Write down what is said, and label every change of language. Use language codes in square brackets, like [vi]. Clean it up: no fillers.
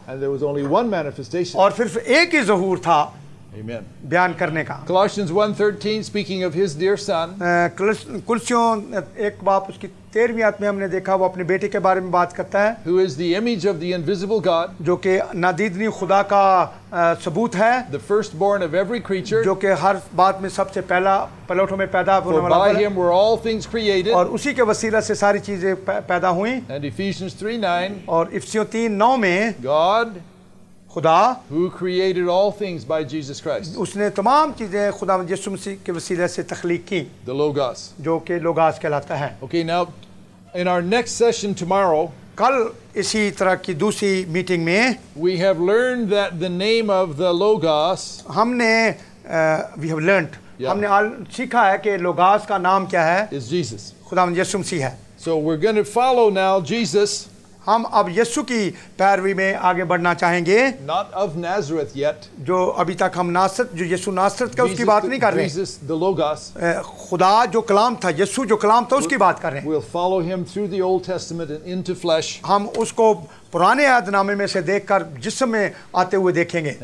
[en] And there was only one manifestation. [hi] और सिर्फ एक ही जहूर था. [en] Amen. [hi] बयान करने का. [en] Colossians 1:13 speaking of his dear son. [hi] कुलशियों एक बाप उसकी 13वीं आयत में हमने देखा वो अपने बेटे के बारे में बात करता है. [en] Who is the image of the invisible God? [hi] जो कि नादीदनी खुदा का सबूत है. [en] The firstborn of every creature. [hi] जो कि हर बात में सबसे पहला पलौठों में पैदा होने वाला. [en] For by him were all things created. [hi] और उसी के वसीले से सारी चीजें पैदा हुई. [en] And Ephesians 3:9. [hi] और इफिसियों 3:9 में. [en] God. [hi] खुदा. [en] Who created all things by Jesus Christ. [hi] उसने तमाम चीजें खुदा यीशु मसीह के वसीले से तख्लीक की. [en] The Logos. [hi] जो के लोगास कहलाता है. [en] Okay, now in our next session tomorrow. [hi] कल इसी तरह की दूसरी मीटिंग में. [en] We have learned that the name of the Logos. [hi] हमने [en] we have learned. Yeah. [hi] हमने सीखा है कि लोगास का नाम क्या है. [en] Is Jesus. [hi] खुदा यीशु मसीह है. [en] So we're going to follow now Jesus. [hi] हम अब यीशु की पैरवी में आगे बढ़ना चाहेंगे. [en] Not of Nazareth yet. [hi] जो अभी तक हम नासरत, जो यीशु नासरत का, उसकी बात नहीं कर रहे. [en] Jesus the Logos. [hi] खुदा जो कलाम था, यीशु जो कलाम था, उसकी बात कर रहे. [en] We'll follow him through the Old Testament and into flesh. [hi] हम उसको पुराने आदनामे में से देखकर जिस्म में आते हुए देखेंगे.